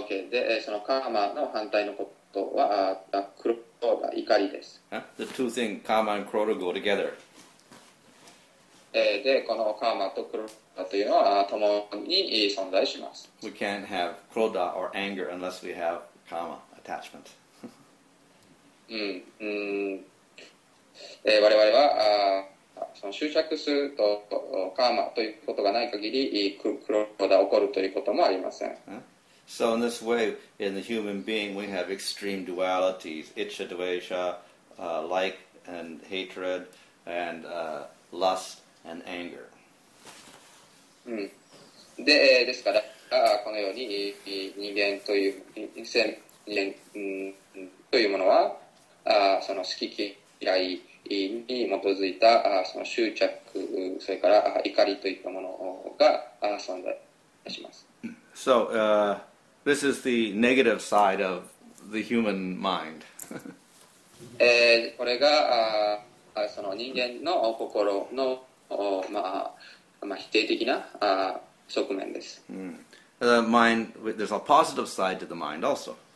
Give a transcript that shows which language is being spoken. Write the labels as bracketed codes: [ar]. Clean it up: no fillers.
[ja] で、そのカーマの反対のことは、クロードが怒りです。 [en] The two things, karma and krodha go together. [ja] で、このカーマとクロードというのは、共に存在します。 [en] We can't have krodha or anger unless we have karma attachment. [ja] うん、我々は、その執着すると、カーマということがない限り、クロードが起こるということもありません。 [en] So in this way, in the human being, we have extreme dualities, icha dvesha, like and hatred, and lust and anger. [ja] で、ですから、このように人間という人間というものは、その好き嫌いに基づいたその執着、それから怒りといったものが存在します。 [en] So, this is the negative side of the human mind. [ja] これが、その人間の心の、否定的な、側面です。 [en] The mind, there's a positive side to the mind also.